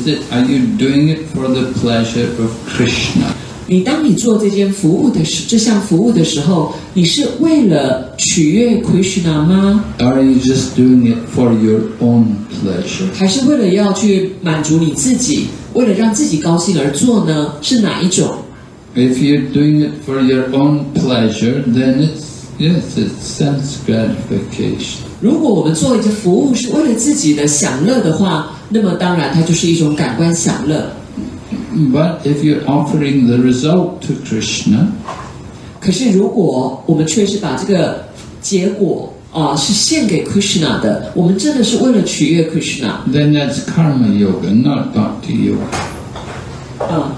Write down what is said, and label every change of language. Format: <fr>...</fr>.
<en>Are you doing it for the pleasure of Krishna?</en> <zh>你当你做这件服务的时，这项服务的时候。你是为了取悦 Krishna 吗？</zh> <en>Are you just doing it for your own pleasure?</en> <zh>还是为了要去满足你自己，为了让自己高兴而做呢？是哪一种？</zh> <en>If you're doing it for your own pleasure, then it's, yes, it's sense gratification.</en> <zh>如果我们做一个服务是为了自己的享乐的话，那么当然它就是一种感官享乐。</zh> <en>But if you're offering the result to Krishna,</en> <zh>可是如果我们确实把这个结果、是献给 Krishna 的，我们真的是为了取悦 Krishna,</zh> <en>then that's karma yoga, not bhakti yoga.</en>